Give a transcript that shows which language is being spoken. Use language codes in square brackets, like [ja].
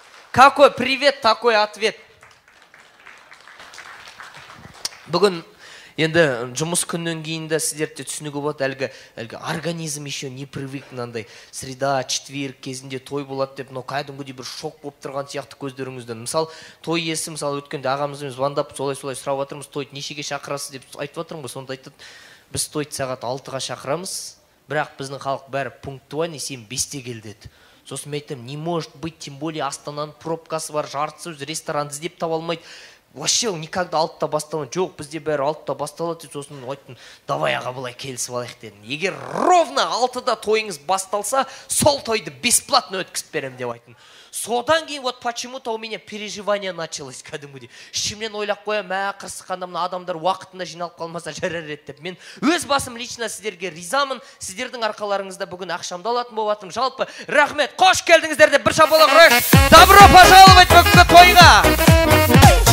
[ru] Какой привет, такой ответ. [kk] Бүгін енді жұмыс күннен кейін де сіздерді түсінігі болады, әлгі [ru] организм еще не привык, [kk] мынандай [ru] среда, четверг [kk] кезінде той болады деп, но кәдімгідей бір шок болып тұрған сияқты көздеріңізден. Мысалы той иесі, мысалы өткенде ағамызымыз звондап солай-солай сұрап жатырмыз, тойды нешеге шақырасыз деп айтып жатырмын ғой. Сонда айтады, біз тойды сағат 6-ға шақырамыз, бірақ біздің халық бәрі пунктуальный, сен 5-те кел деді. Сосын мен айтамын, [ru] не может быть, тем более [kk] Астананың пробкасы бар, жартысы өзі ресторан іздеп таба алмайды. [ru] Вообще никогда [kk] алтыда басталмайды. Жоқ, бізде бәрі алтыда басталады деп, сосын айттым, давай аға былай келісіп алайық дедім. Егер ровно алтыда тойыңыз басталса, сол тойды бесплатно өткізіп беремін деп айттым. Содан кейін [ru] вот почему-то у меня переживание началось, [kk] кәдімгідей. Ішімнен ойлап қоямын, мә, қырсыққанда мына адамдар уақытында жиналып қалмаса жарар еді деп. Мен өз басым лично сіздерге ризамын. Сіздердің арқаларыңызда бүгін ақшамды алатын болып отырмын. Жалпы рахмет, қош келдіңіздер деп бір шапалақ ұрайық. [ru] Добро пожаловать [kk] бүгінгі тойға.